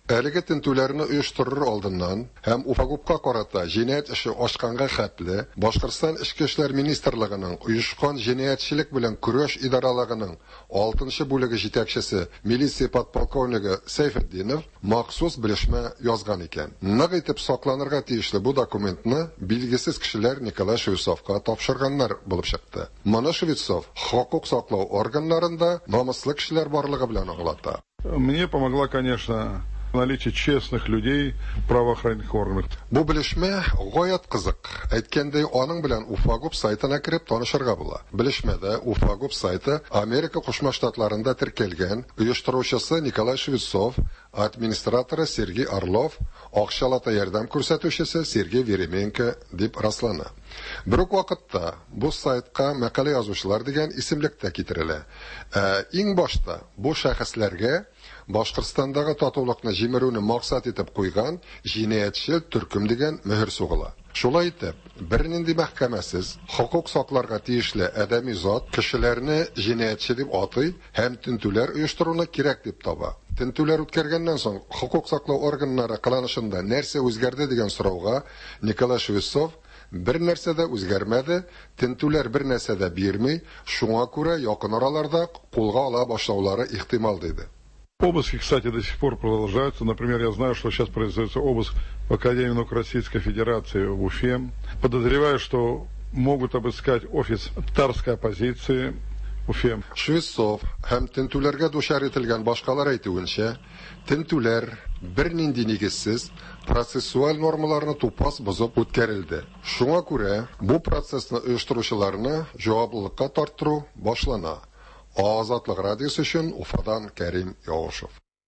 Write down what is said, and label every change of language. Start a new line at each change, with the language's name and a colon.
Tatar: Әлеге тентүләрне оештырыр алдыннан һәм УФАГУПка карата җинаять эше ачканга хәтле Башкортстан эчке эшләр министрлыгының оешкан җинаятьчелек белән көрәш идаралыгының 6-нчы бүлеге җитәкчесе милиция подполковнигы Сәйфетдинов махсус белешмә язган икән. Нык итеп сакланырга тиешле бу документны билгесез кешеләр Николай Шевцовка тапшырганнар булып чыкты. Моны Шевцов хокук саклау органнарында намыслы кешеләр барлыгы белән аңлата.
Russian: Мне помогла, конечно, наличие честных людей в правоохранительных органах.
Tatar: Бу белешмә гаят кызык. Әйткәндәй, аның белән УФАГУП сайтына кереп танышырга була. Белешмәдә УФАГУП сайты Америка Кушма Штатларында теркәлгән, оештыручысы Николай Шевцов, администраторы Сергей Орлов, акчалата ярдәм күрсәтүчесе Сергей Веременко дип раслана. Бер үк вакытта бу сайтка мәкалә язучылар дигән исемлек тә китерелә. Иң башта бу шәхесләргә Башкырстандагы татулыкны җимерүне максат итеп куйган җинаятьче төркем дигән мөһер сугыла. Шулай итеп, бернинди мәхкәмәсез, хокук сакларга тиешле адәми зат кешеләрне җинаятьче дип атый һәм тентүләр оештыруны кирәк дип таба. Тентүләр үткәргәннән соң хокук саклау органнары кылынышында нәрсә үзгәрде дигән сорауга Николай Швецов бер нәрсә дә үзгәрмәде, тентүләр бер нәрсә дә бирми, шуңа күрә якын араларда кулга ала башлаулары ихтимал диде.
Russian: Обыски, кстати, до сих пор продолжаются. Например, я знаю, что сейчас производится обыск в Академии наук Российской Федерации в Уфе. Подозреваю, что могут обыскать офис татарской оппозиции в Уфе.
Tatar: Швецов һәм тентүләргә дучар ителгән башкалар әйтүенчә, тентүләр бернинди нигезсез процессуаль нормаларны тупас бозып үткәрелде. Шуңа күрә бу процессны оештыручыларны җаваплылыкка тарттыру башлана. Азатлык радиосы өчен Уфадан Кәрим Яушев.